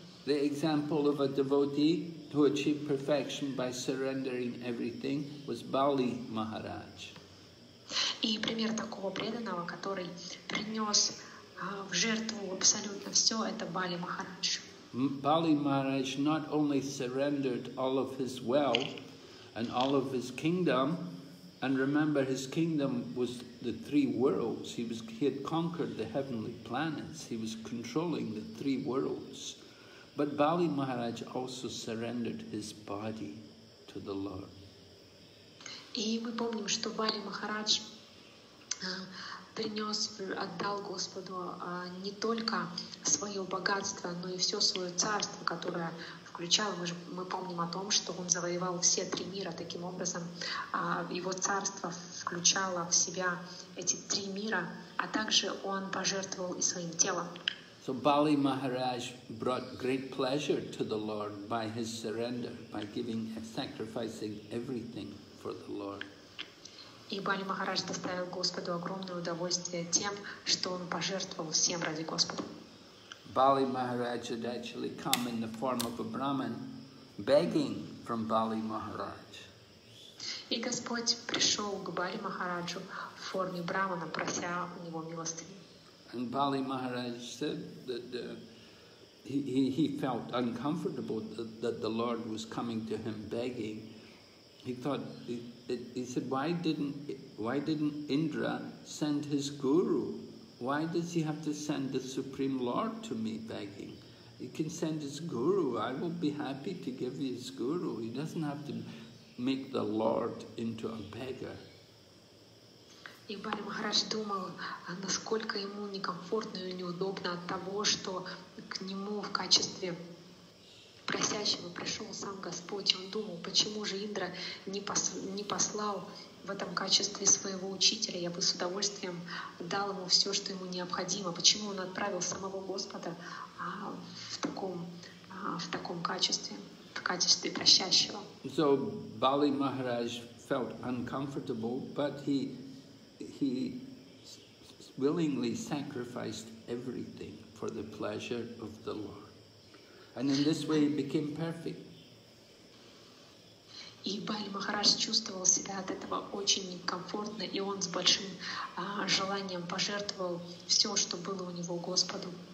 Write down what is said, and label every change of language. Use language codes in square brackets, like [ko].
[en] The example of a devotee who achieved perfection by surrendering everything was Bali Maharaj. [ru] И пример такого преданного, который принес в жертву абсолютно все, это Бали Махарадж. [en] Bali Maharaj not only surrendered all of his wealth and all of his kingdom, and remember his kingdom was the three worlds. He had conquered the heavenly planets. He was controlling the three worlds. But Bali Maharaj also surrendered his body to the Lord. [ru] И мы помним, что Бали Махарадж принес, отдал Господу не только свое богатство, но и все свое царство, которое включало. Мы помним о том, что он завоевал все три мира. Таким образом, его царство включало в себя эти три мира, а также он пожертвовал и своим телом. [en] So Bali Maharaj brought great pleasure to the Lord by his surrender, by giving, sacrificing everything for the Lord. [ru] И Бали Махарадж доставил Господу огромное удовольствие тем, что он пожертвовал всем ради Господа. [en] Bali Maharaj had actually come in the form of a Brahmin, begging from Bali Maharaj. [ru] И Господь пришел к Бали Махараджу в форме Брахмана, прося у него милости. [en] And Bali Maharaj said that he felt uncomfortable that the Lord was coming to him begging. He thought, he said, why didn't Indra send his guru? Why does he have to send the Supreme Lord to me begging? He can send his guru. I will be happy to give his guru. He doesn't have to make the Lord into a beggar. [ru] И Бхари Махарадж думал, насколько ему некомфортно и неудобно от того, что к нему в качестве просящего пришел сам Господь. Он думал, почему же Индра не послал в этом качестве своего учителя, я бы с удовольствием дал ему все, что ему необходимо. Почему он отправил самого Господа в таком качестве, в качестве просящего? [en] So Bali Maharaj felt uncomfortable, but he willingly sacrificed everything for the pleasure of the Lord. And in this way he became perfect. [ru] И Бали Махарадж чувствовал себя от этого очень некомфортно, и он с большим желанием пожертвовал все, что было у него Господу.